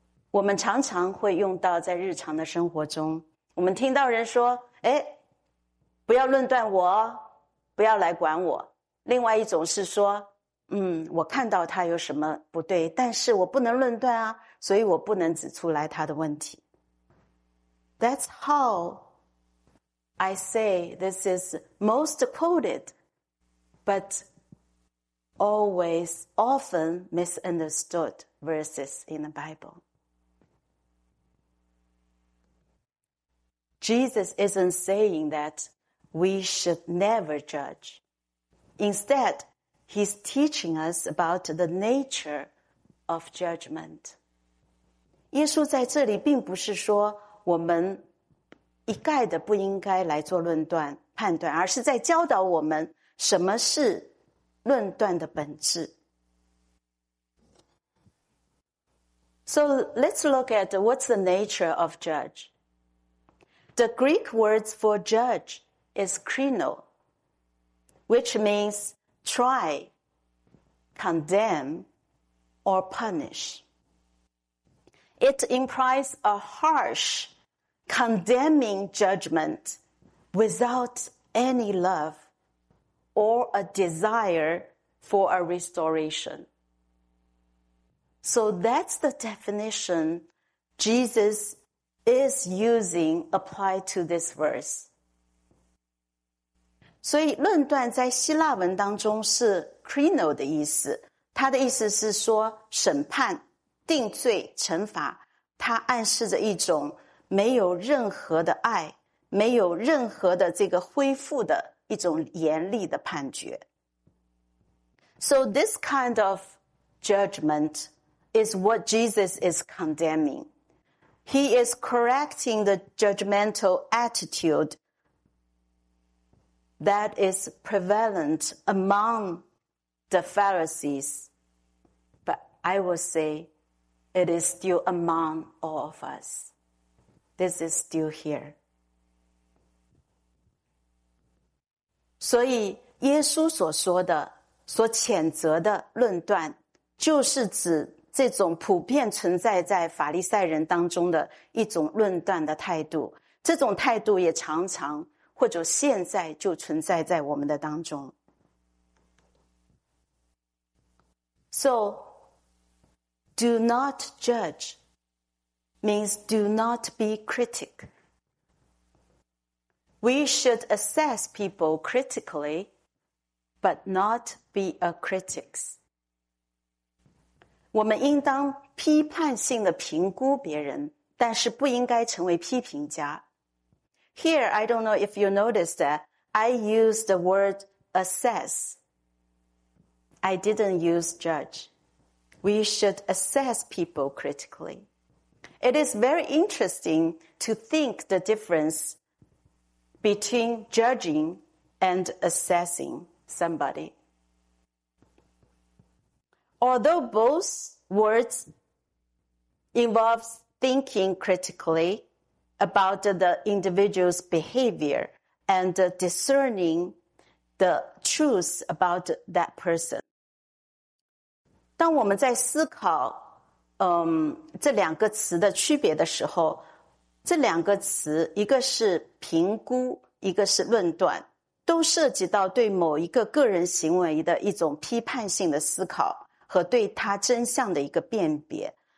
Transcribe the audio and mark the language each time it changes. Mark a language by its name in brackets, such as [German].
[Chinese] 我们常常会用到在日常的生活中，我们听到人说，哎，不要论断我，不要来管我。另外一种是说，我看到他有什么不对，但是我不能论断啊，所以我不能指出来他的问题。 [English] That's how I say this is most quoted, but always often misunderstood verses in the Bible. Jesus isn't saying that we should never judge. Instead,He's teaching us about the nature of judgment. [Chinese] 耶稣在这里并不是说我们一概的不应该来做论断、判断，而是在教导我们什么是论断的本质。 [English] So let's look at what's the nature of judge. The Greek words for judge is krino, which means try. Condemn or punish. It implies a harsh, condemning judgment without any love or a desire for a restoration. So that's the definition Jesus is using applied to this verse. [Chinese] 所以论断在希腊文当中是Krino 的意思，它的意思是说审判、定罪、惩罚，它暗示着一种没有任何的爱，没有任何的这个恢复的一种严厉的判决。 [English] So this kind of judgment is what Jesus is condemning. He is correcting the judgmental attitude that is prevalent among the Pharisees, but I will say it is still among all of us. This is still here. [Chinese] 所以耶稣所说的、所谴责的论断，就是指这种普遍存在在法利赛人当中的一种论断的态度。这种态度也常常或者现在就存在在我们的当中。 [English] So, do not judge means do not be critic. We should assess people critically, but not be a critic. [Chinese] 我们应当批判性的评估别人，但是不应该成为批评家。 [English] Here, I don't know if you noticed that I use the word assess. I didn't use judge. We should assess people critically. It is very interesting to think the difference between judging and assessing somebody. Although both words involve thinking critically about the individual's behavior and discerning the truth about that person. [Chinese] 当我们在思考这两个词的区别的时候，这两个词，一个是评估，一个是论断，都涉及到对某一个个人行为的一种批判性的思考和对他真相的一个辨别。